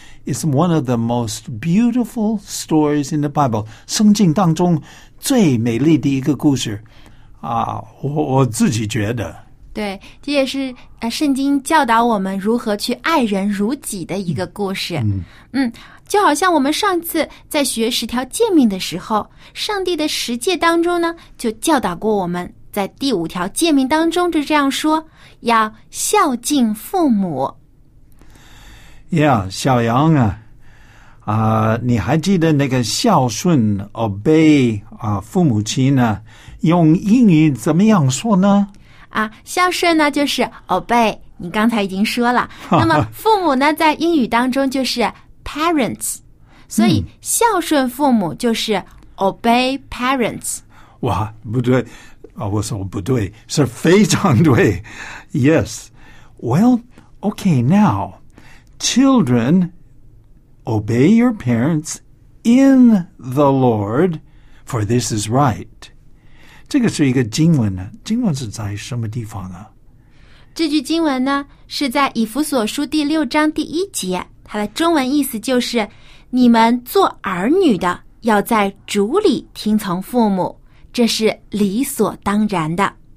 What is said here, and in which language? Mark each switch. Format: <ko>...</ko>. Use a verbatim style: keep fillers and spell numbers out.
<en>It's one of the most beautiful stories in the Bible.</en> <zh>圣经当中最美丽的一个故事啊，我我自己觉得。对，这也是呃，圣经教导我们如何去爱人如己的一个故事。嗯, 嗯，就好像我们上次在学十条诫命的时候，上帝的十诫当中呢，就教导过我们，在第五条诫命当中就这样说，要孝敬父母。</zh> <en>Yeah,</en> <zh>小羊啊，啊、呃，你还记得那个孝顺 obey 啊、呃，父母亲呢？用英语怎么样说呢？啊，孝顺呢就是 obey， 你刚才已经说了。那么父母呢，在英语当中就是 parents， 所以孝顺父母就是 obey parents。哇，不对，啊，我说不对，是非常对。</zh> <en>Yes, well, okay, now. Children, obey your parents in the Lord, for this is right.</en> <zh>这个是一个经文呢，经文是在什么地方啊？这句经文呢，是在以弗所书第六章第一节，它的中文意思就是：你们做儿女的，要在主里听从父母，这是理所当然的。</zh>